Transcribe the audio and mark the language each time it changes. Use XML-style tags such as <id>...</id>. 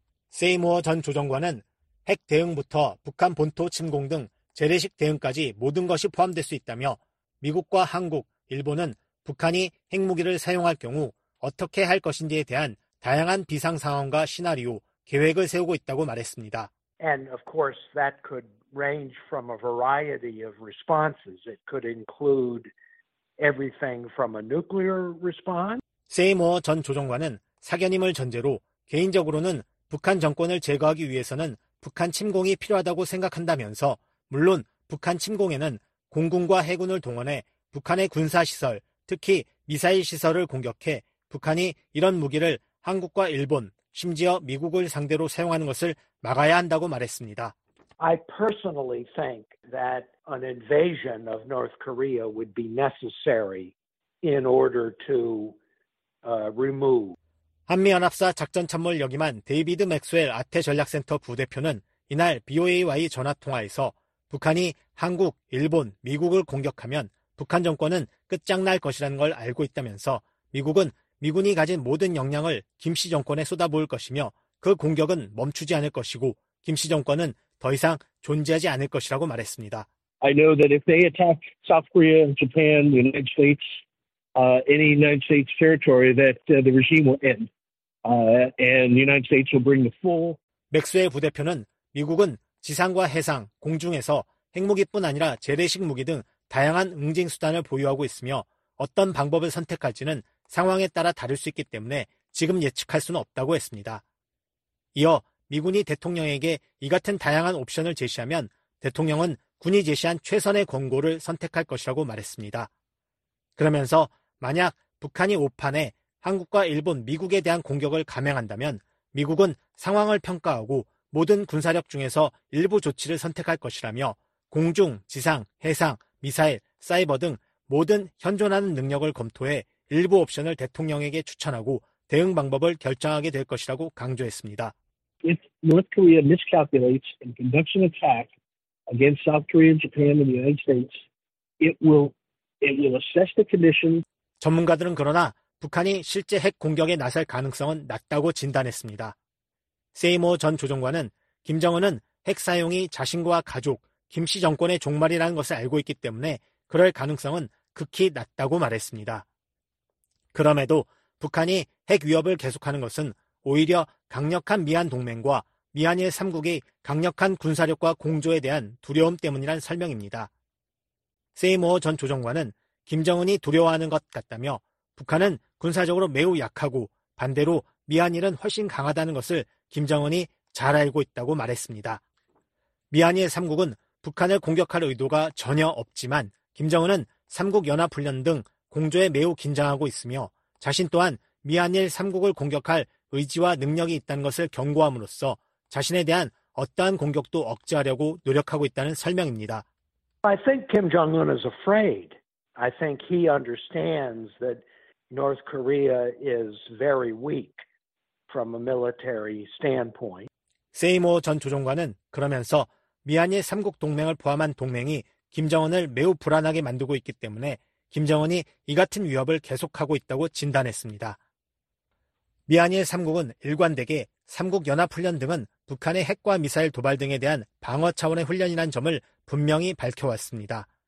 <ko>세이모어 전 조정관은 핵 대응부터 북한 본토 침공 등 재래식 대응까지 모든 것이 포함될 수 있다며 미국과 한국, 일본은 북한이 핵무기를 사용할 경우 어떻게 할 것인지에 대한 다양한 비상 상황과 시나리오, 계획을 세우고 있다고 말했습니다.</ko> <en>And of course that could range from a variety of responses. It could include everything from a nuclear response.</en> <ko>세이머 전 조정관은 사견임을 전제로 개인적으로는 북한 정권을 제거하기 위해서는 북한 침공이 필요하다고 생각한다면서 물론 북한 침공에는 공군과 해군을 동원해 북한의 군사시설, 특히 미사일 시설을 공격해 북한이 이런 무기를 한국과 일본, 심지어 미국을 상대로 사용하는 것을 막아야 한다고 말했습니다.</ko> <en>I personally think that an invasion of North Korea would be necessary in order to remove.</en> <ko>한미연합사 작전참모를 역임한 데이비드 맥스웰 아태 전략센터 부대표는 이날 BOA와의 전화통화에서 북한이 한국, 일본, 미국을 공격하면 북한 정권은 끝장날 것이라는 걸 알고 있다면서 미국은 미군이 가진 모든 역량을 김씨 정권에 쏟아부을 것이며 그 공격은 멈추지 않을 것이고 김씨 정권은 더 이상 존재하지 않을 것이라고 말했습니다.</ko> <en>I know that if they attack South Korea, Japan, the United States, any United States territory, that the regime will end. And the United States will bring the full.</en> <ko>맥스웰 부대표는 미국은 지상과 해상, 공중에서 핵무기뿐 아니라 재래식 무기 등 다양한 응징 수단을 보유하고 있으며 어떤 방법을 선택할지는 상황에 따라 다를 수 있기 때문에 지금 예측할 수는 없다고 했습니다. 이어 미군이 대통령에게 이 같은 다양한 옵션을 제시하면 대통령은 군이 제시한 최선의 권고를 선택할 것이라고 말했습니다. 그러면서 만약 북한이 오판에 한국과 일본, 미국에 대한 공격을 감행한다면 미국은 상황을 평가하고 모든 군사력 중에서 일부 조치를 선택할 것이라며 공중, 지상, 해상, 미사일, 사이버 등 모든 현존하는 능력을 검토해 일부 옵션을 대통령에게 추천하고 대응 방법을 결정하게 될 것이라고 강조했습니다.</ko> <en>If North Korea miscalculates and conducts an attack against South Korea, Japan and the United States, it will assess the conditions.</en> <ko>전문가들은 그러나 북한이 실제 핵 공격에 나설 가능성은 낮다고 진단했습니다. 세이모 전 조정관은 김정은은 핵 사용이 자신과 가족, 김씨 정권의 종말이라는 것을 알고 있기 때문에 그럴 가능성은 극히 낮다고 말했습니다. 그럼에도 북한이 핵 위협을 계속하는 것은 오히려 강력한 미한 동맹과 미한일 3국의 강력한 군사력과 공조에 대한 두려움 때문이란 설명입니다. 세이모 전 조정관은 김정은이 두려워하는 것 같다며 북한은 군사적으로 매우 약하고 반대로 미한일은 훨씬 강하다는 것을 김정은이 잘 알고 있다고 말했습니다. 미한일 3국은 북한을 공격할 의도가 전혀 없지만 김정은은 3국연합훈련 등 공조에 매우 긴장하고 있으며 자신 또한 미한일 3국을 공격할 의지와 능력이 있다는 것을 경고함으로써 자신에 대한 어떠한 공격도 억제하려고 노력하고 있다는 설명입니다.</ko> <en>I think Kim Jong-un is afraid. I think he understands that North Korea is very weak from a military standpoint.</en> <ko>세이모 전 조정관은 그러면서 미한일 3국 동맹을 포함한 동맹이 김정은을 매우 불안하게 만들고 있기 때문에 김정은이 이 같은 위협을 계속하고 있다고 진단했습니다. 미한일 3국은 일관되게 3국연합훈련 등은 북한의 핵과 미사일 도발 등에 대한 방어 차원의 훈련이란 점을 분명히 밝혀왔습니다.</ko>